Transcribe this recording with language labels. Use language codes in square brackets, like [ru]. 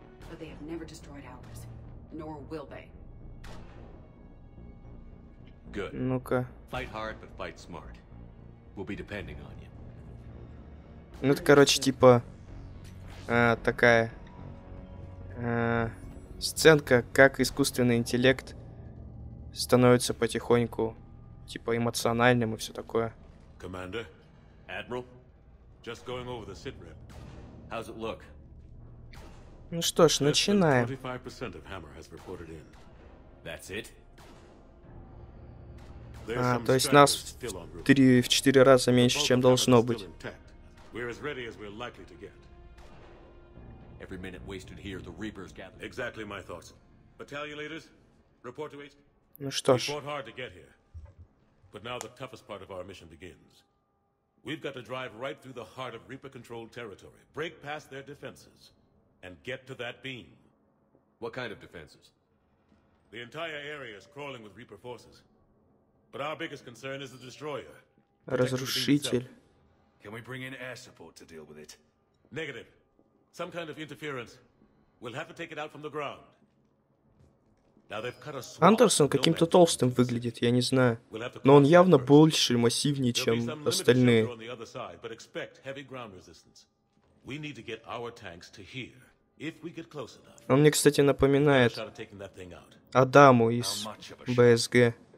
[en] But they have never destroyed ours, nor will they. Good. [ru] Ну-ка. [en] Fight hard, but fight smart. We'll be depending on you. [ru] Ну это, короче, типа такая сценка, как искусственный интеллект становится потихоньку типа эмоциональным и все такое. [en] Commander, Admiral, just going over the sitrep. How's it look? [ru] Ну что ж, начинаем. [en] 25% of Hammer has reported in. That's it. [ru] А, то есть нас в 4 раза меньше, чем должно быть. [en] We're as ready as we're likely to get. Every minute wasted here, the Reapers gather. Exactly my thoughts. Battalion leaders, report to HQ. [ru] Ну что ж. [en] We fought hard to get here. But now the toughest part of our mission begins. We've got to drive right through the heart of Reaper-controlled territory. Break past their defenses. And get to that beam. What kind of defenses? The entire area is crawling with Reaper forces. But our biggest concern is the destroyer. [ru] Разрушитель. [en] Can we bring in air support to deal with it? Negative. Some kind of interference. We'll have to take it out from the ground. Now they've cut a swath. [ru] Андерсон каким-то толстым выглядит, я не знаю. Но он явно больше и массивнее, чем остальные. [en] On the other side, but expect heavy ground resistance. We need to get our tanks to here. If we get close enough. [ru] Он мне, кстати, напоминает Адаму из БСГ.